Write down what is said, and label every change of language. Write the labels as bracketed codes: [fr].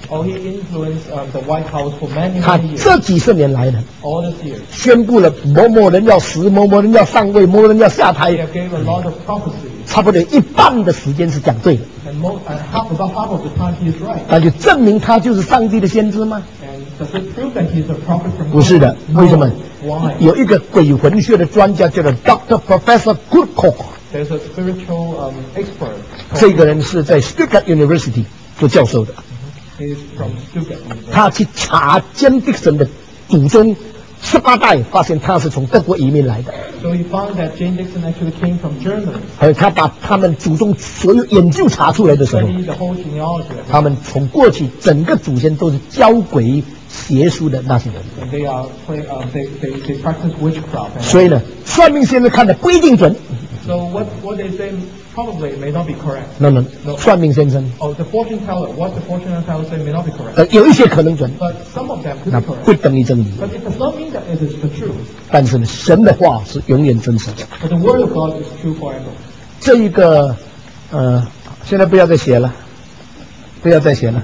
[en] Oh, he influenced the White House for many years. [zh] 他这几十年来呢 [en] ，all this year, [zh] 宣布了某某人要死，某某人要上位，某某人要下台。 [en] Gave a lot of prophecy, [zh] 差不多一半的时间是讲对的 [en] half of the time he is right. [zh] 那就证明他就是上帝的先知吗 [en] And does it prove that he is a prophet from God? [zh] 不是的为什么、 [en] Why? [zh] 有一个鬼魂学的专家叫做 Dr. [en] Professor Goodcock There's a spiritual expert [zh] 这个人是在 Stuttgart University 做教授的、 [en] He's from Stuttgart University. [zh] 他去查金迪森的祖宗十八代发现他是从德国移民来的 [en] So he found that Jane Dixon actually came from Germany [zh] 还有他把他们祖宗所有研究查出来的时候 [en] the whole genealogy [zh] 他们从过去整个祖先都是交鬼邪术的那些人 [en] they practice witchcraft [zh] 所以呢算命先生看的不一定准 [en] So what they say probably may not be correct [zh] No, 算命先生 [en] Oh, the fortune teller What the fortune teller say may not be correct [zh] 有一些可能准 [en] But some of them could be correct [zh] 那不等于真理 [en] But it does not mean that it is the truth [zh] 但是呢神的话是永远真实的 [en] But the word of God is true forever [zh] 这一个现在不要再写了不要再写了